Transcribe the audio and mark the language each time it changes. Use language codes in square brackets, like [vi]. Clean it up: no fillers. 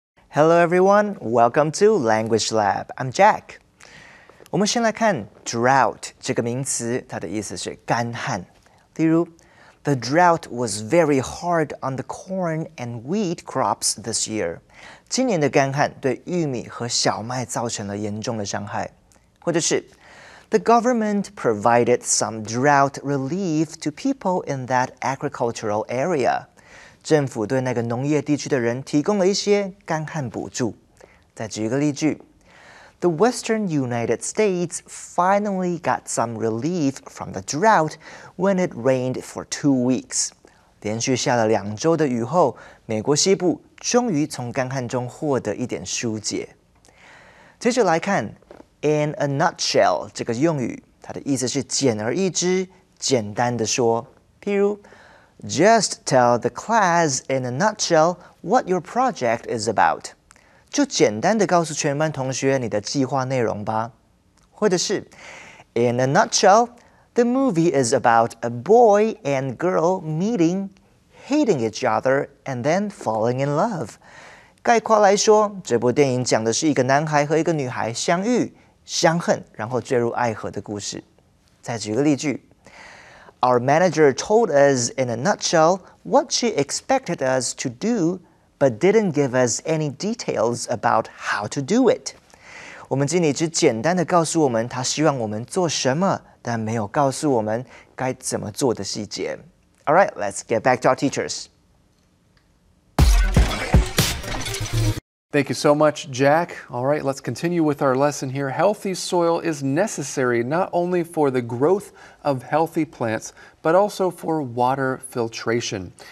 [en] Hello everyone, welcome to Language Lab. I'm Jack. [zh] 我们先来看 drought 这个名词，它的意思是干旱。例如 [en] ，The drought was very hard on the corn and wheat crops this year. [zh] 今年的干旱对玉米和小麦造成了严重的伤害。或者是 [en] ，The government provided some drought relief to people in that agricultural area. [zh] 政府对那个农业地区的人提供了一些干旱补助。再举一个例句。 [en] The Western United States finally got some relief from the drought when it rained for 2 weeks. [zh] 连续下了两周的雨后，美国西部终于从干旱中获得一点纾解。接着来看 in a nutshell 这个用语，它的意思是简而易之，简单的说。譬如 [en] ，Just tell the class in a nutshell what your project is about. [zh] 就简单地告诉全班同学你的计划内容吧。或者是 [en] In a nutshell, the movie is about a boy and girl meeting. hating each other and then falling in love. [zh] 概括来说，这部电影讲的是一个男孩和一个女孩相遇、相恨，然后坠入爱河的故事。再举个例句。 [en] Our manager told us in a nutshell what she expected us to do, but didn't give us any details about how to do it. [zh] 我们经理只简单地告诉我们他希望我们做什么，但没有告诉我们该怎么做的细节。 [en] All right, let's get back to our teachers. Thank you so much, Jack. All right, let's continue with our lesson here. Healthy soil is necessary not only for the growth of healthy plants, but also for water filtration.